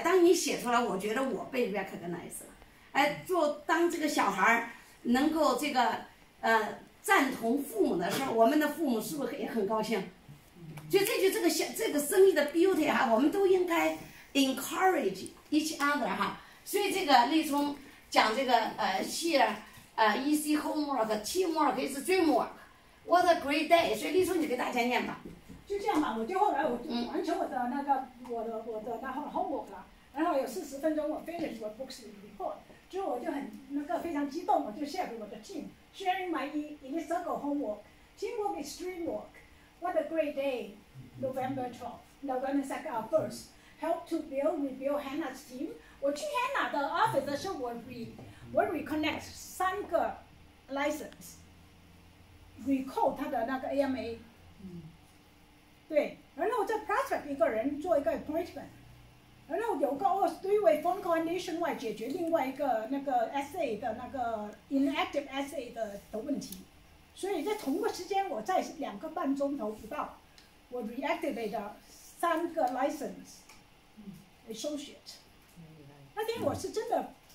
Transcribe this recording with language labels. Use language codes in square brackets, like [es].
[zh] 当你写出来，我觉得我被 recognize 了。哎，做当这个小孩能够这个赞同父母的时候，我们的父母是不是也很高兴？所以这就这个生意的 beauty 哈，我们都应该 [en] encourage each other [zh] 哈。所以这个立聪讲这个share [en] easy homework, teamwork is dreamwork. What a great day！ [zh] 所以丽叔，你给大家念吧。就这样吧，我就后来我就完成我的那个我的那个 homework 了，然后有40分钟我 [en] finish my books report， [zh] 之后我就很那个非常激动，我就 share 给我的 team， [en] sharing my initial homework， teamwork is dreamwork。 What a great day！ November 12th, November 2nd, our first help to rebuild Hannah's team。 [zh] 我去 Hannah 的 office 的时候，我 reconnect 三个 license。 Recall 他的那个 AMA， 对，然后再 prospect 一个人做一个 appointment， 然后有个对位 phone call nationwide 解决另外一个那个 SA 的那个 inactive SA 的问题，所以在同个时间我在两个半钟头不到，我 reactivate 三个 license associate， 那天我是真的。